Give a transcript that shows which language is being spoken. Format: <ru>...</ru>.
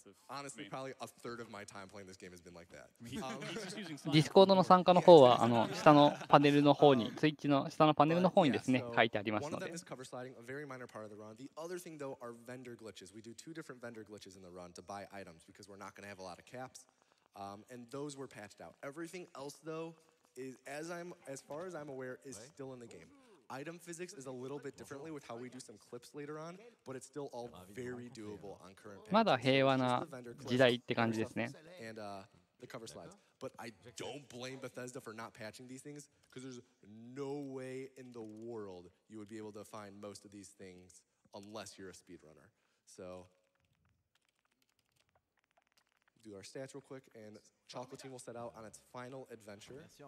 <en>Honestly, probably a third of my time playing this game has been like that.</en> <ja>Discordの参加の方は下のパネルの方に、スイッチの下のパネルの方にですね、書いてありますので。</ja> <en>One of them is cover sliding, a very minor part of the run. The other thing, though, are vendor glitches. We do 2 different vendor glitches in the run to buy items because we're not going to have a lot of caps, and those were patched out. Everything else, though, is as far as I'm aware, is still in the game. Item physics is a little bit differently with how we do some clips later on, but it's still all very doable on current.</en> <ja>まだ平和な時代って感じですね。</ja> <en>And the cover slides, but I don't blame Bethesda for not patching these things, because there's no way in the world you would be able to find most of these things unless you're a speedrunner. So do our stats real quick, and Chocolatine will set out on its final adventure.</en>